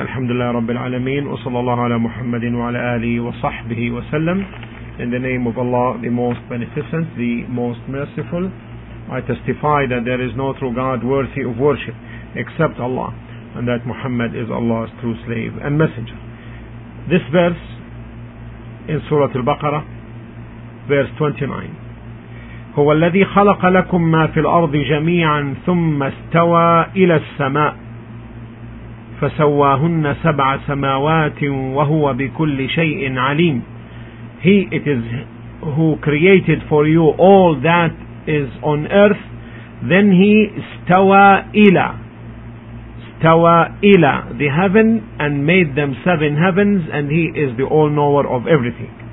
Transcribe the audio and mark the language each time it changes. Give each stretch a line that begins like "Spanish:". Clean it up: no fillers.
Arabic: الحمد لله رب العالمين، وصلى الله على محمد وعلى آله وصحبه وسلم.
English: In the name of Allah, the most beneficent, the most merciful, I testify that there is no true God worthy of worship except Allah, and that Muhammad is Allah's true slave and messenger. This verse in Surah Al-Baqarah, verse 29.
Arabic: هو الذي خلق لكم ما في الأرض جميعا ثم استوى إلى السماء فسواهن سبع سماوات وهو بكل شيء عليم.
English: He, it is who created for you all that is on earth. Then he
Arabic: stawa ila
English: the heaven and made them seven heavens, and he is the all knower of everything.